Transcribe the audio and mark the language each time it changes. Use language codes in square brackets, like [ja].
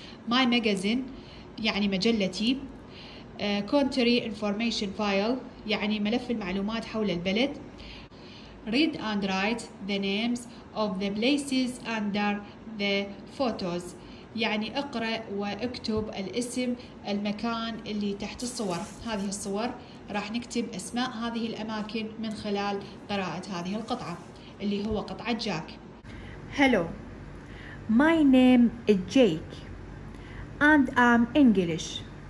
[en] My magazine [ar] يعني مجلتي، [en] country information file [ar] يعني ملف المعلومات حول البلد، [en] read and write the names of the places under the photos [ar] يعني اقرأ واكتب الاسم المكان اللي تحت الصور. هذه الصور راح نكتب اسماء هذه الاماكن من خلال قراءة هذه القطعة اللي هو قطعة جاك. [en] Hello, my name is Jake and I'm English.